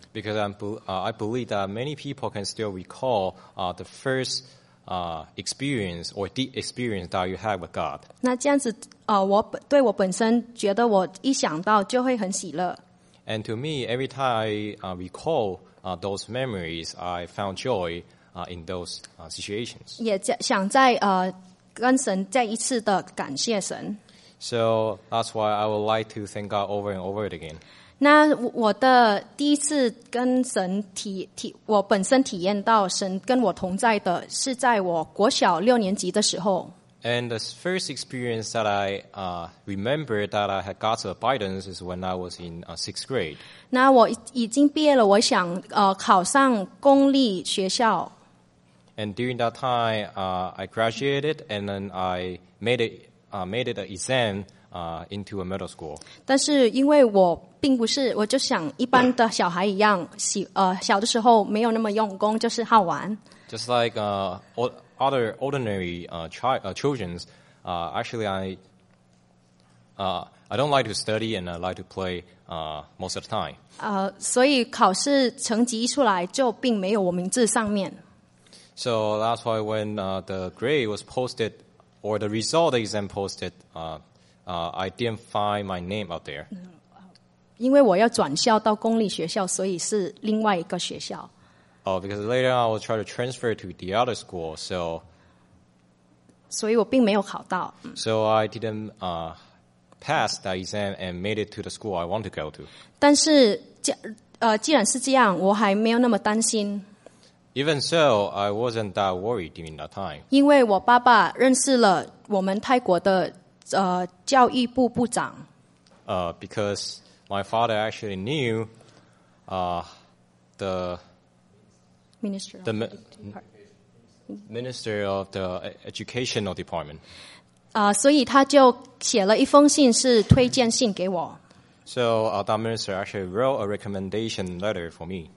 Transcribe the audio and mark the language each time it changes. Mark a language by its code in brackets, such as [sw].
[en] Because I believe that many people can still recall the first experience or deep experience that you have with God. [zh] 那这样子对我本身觉得我一想到就会很喜乐。 [en] And to me, every time I recall those memories, I found joy in those situations. [zh] 也想在跟神再一次的感谢神。 [en] So that's why I would like to thank God over and over again. [zh] 那我的第一次跟神我本身体验到神跟我同在的是在我国小六年级的时候。 [en] And the first experience that I remember that I had God's abidance is when I was in sixth grade. [zh] 那我已经毕业了，我想考上公立学校。 [en] And during that time, I graduated and then I made it an exam into a middle school. [zh] 但是因为我并不是，我就想一般的小孩一样，小的时候没有那么用功，就是好玩。 [en] Just like other ordinary childrens, actually I don't like to study and I like to play most of the time. [zh] 所以考试成绩一出来就并没有我名字上面。 [en] So that's why when the grade was posted or the result exam posted, I didn't find my name out there. [zh] 因为我要转校到公立学校，所以是另外一个学校。 [en] Oh, because later on I will try to transfer to the other school, so. [zh] 所以我并没有考到。 [en] So I didn't pass that exam and made it to the school I want to go to. [zh] 但是既然是这样，我还没有那么担心。 [en] Even so, I wasn't that worried during that time. [zh] 因为我爸爸认识了我们泰国的教育部部长。 [en] Because my father actually knew the Minister of the Educational Department. [zh] 所以他就写了一封信，是推荐信给我。 [en] So that minister actually wrote a recommendation letter for me.